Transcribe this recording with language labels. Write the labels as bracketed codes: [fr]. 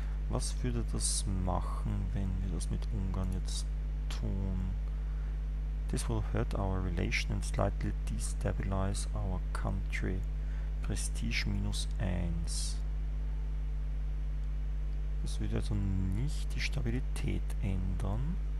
[de] Was würde das machen, wenn wir das mit Ungarn jetzt tun? [en] This will hurt our relation and slightly destabilize our country. Prestige minus 1. [de] Das würde also nicht die Stabilität ändern.